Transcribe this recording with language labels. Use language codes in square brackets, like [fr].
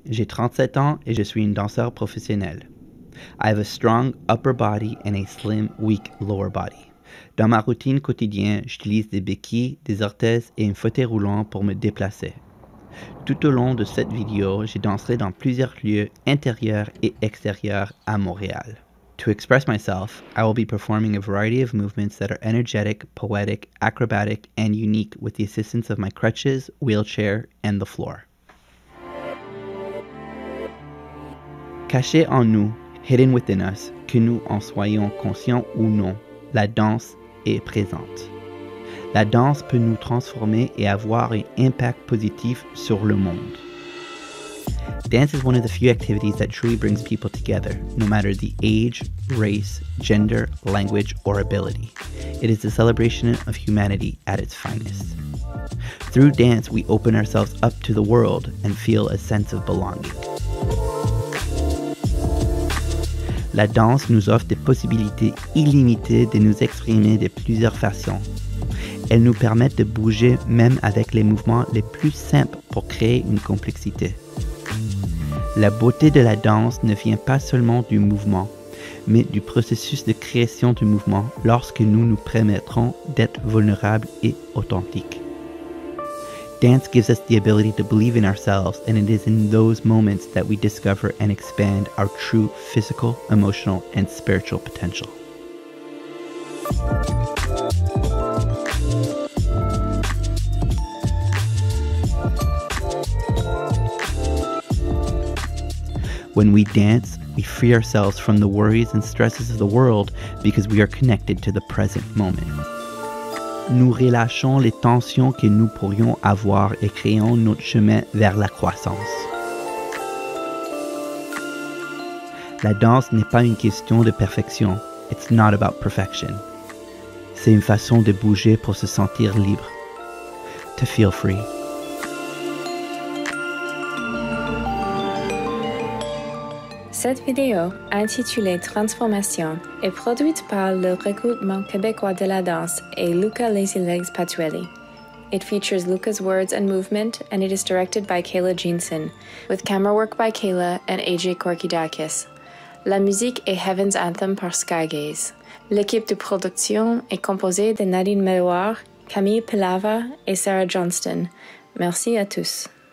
[fr] J'ai 37 ans et je suis une danseur professionnelle. [en] I have a strong upper body and a slim, weak lower body. [fr] Dans ma routine quotidienne, j'utilise des béquilles, des orthèses et un fauteuil roulant pour me déplacer. Tout au long de cette vidéo, je danserai dans plusieurs lieux intérieurs et extérieurs à Montréal. [en] To express myself, I will be performing a variety of movements that are energetic, poetic, acrobatic, and unique with the assistance of my crutches, wheelchair, and the floor. [fr] Caché en nous, [en] hidden within us, [fr] que nous en soyons conscients ou non, la danse est présente. La danse peut nous transformer et avoir un impact positif sur le monde. [en] Dance is one of the few activities that truly brings people together, no matter the age, race, gender, language, or ability. It is the celebration of humanity at its finest. Through dance, we open ourselves up to the world and feel a sense of belonging. [fr] La danse nous offre des possibilités illimitées de nous exprimer de plusieurs façons. Elle nous permet de bouger même avec les mouvements les plus simples pour créer une complexité. La beauté de la danse ne vient pas seulement du mouvement, mais du processus de création du mouvement lorsque nous nous permettrons d'être vulnérables et authentiques. [en] Dance gives us the ability to believe in ourselves, and it is in those moments that we discover and expand our true physical, emotional, and spiritual potential. When we dance, we free ourselves from the worries and stresses of the world because we are connected to the present moment. [fr] Nous relâchons les tensions que nous pourrions avoir et créons notre chemin vers la croissance. La danse n'est pas une question de perfection. [en] It's not about perfection. [fr] C'est une façon de bouger pour se sentir libre. [en] To feel free. [fr] Cette vidéo, intitulée « Transformation », est produite par le Recrutement québécois de la danse et Luca Lazylegz Petwali. [en] It features Luca's words and movement, and it is directed by Kayla Jensen, with camera work by Kayla and AJ Korkidakis. [fr] La musique est « Heaven's Anthem » par Skygaze. L'équipe de production est composée de Nadine Meloir, Camille Pelava et Sarah Johnston. Merci à tous.